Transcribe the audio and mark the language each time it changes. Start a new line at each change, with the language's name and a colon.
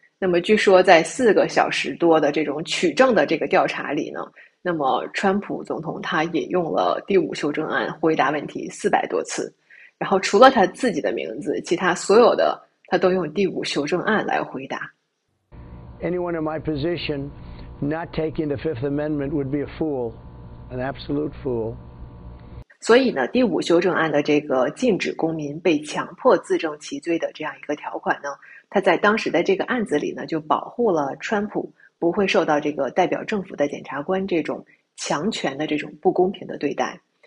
Chinese: 那么据说在4个小时多的这种取证的这个调查里呢，那么，川普总统他引用了第五修正案回答问题400多次，然后除了他自己的名字，其他所有的他都用第五修正案来回答。
English: Anyone in my position not taking the Fifth Amendment would be a fool, an absolute fool.
Chinese: 所以呢，第五修正案的这个禁止公民被强迫自证其罪的这样一个条款呢，他在当时的这个案子里呢，就保护了川普不会受到这个代表政府的检察官这种强权的这种不公平的对待。